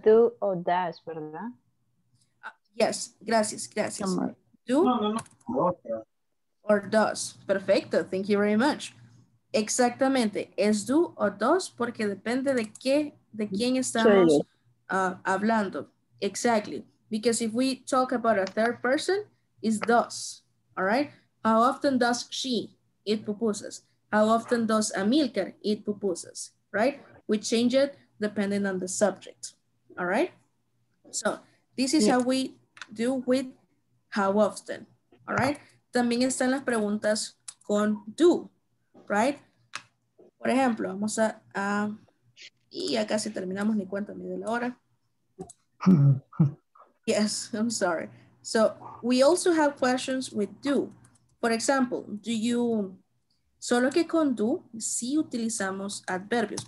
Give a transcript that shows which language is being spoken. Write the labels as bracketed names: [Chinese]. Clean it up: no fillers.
[Spanish] Do o does, ¿verdad? Yes, gracias, gracias. Do [English] or does. Perfecto, thank you very much. [Spanish] Exactamente, es do o does porque depende de qué, de quién estamos hablando. [English] Exactly, because if we talk about a third person, it's does, all right? How often does she eat pupusas? How often does Amilcar eat pupusas, right? We change it depending on the subject, all right? So this is how we do with how often, all right? [Spanish] También están las preguntas con do, right? Por ejemplo, vamos a, y ya casi terminamos, ni cuenta ni de la hora. [English] Yes, I'm sorry. So we also have questions with do. For example, do you, [Spanish] solo que con do, sí utilizamos adverbios.